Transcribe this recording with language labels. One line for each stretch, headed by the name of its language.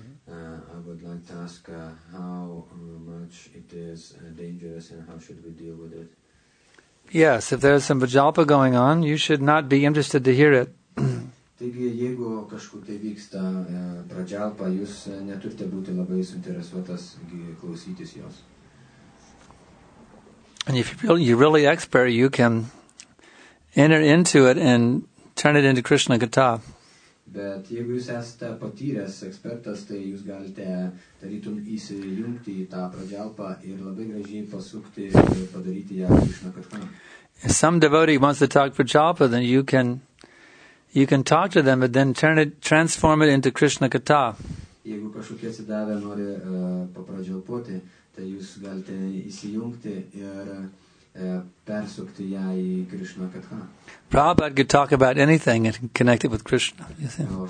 English: I would like to ask how much it is dangerous and how should we deal with it? Yes, if there is some vajalpa going on, you should not be interested to hear it.
Lithuanian: Taigi, jeigu kažkur tai vyksta pradžalpa, jūs neturite būti labai suinteresuotas klausytis jos.
English: And if you're really expert, you can enter into it and turn it into Krishna Gita.
Lithuanian: Bet jeigu jūs esate patyręs ekspertas, tai jūs galite tarytum įsijungti į tą pradžialpą ir labai gražiai pasukti ir padaryti ją Krishna Katha.
English: If some devotee wants to talk pradžialpa, then you can talk to them, but then transform it into Krishna Katha.
Lithuanian: Jeigu kažkokie atsidavę nori papradžialpoti, tai jūs galite įsijungti ir persukti ją į Krishna Katha.
English: Prabhupada could talk about anything and connect it with Krishna, you see.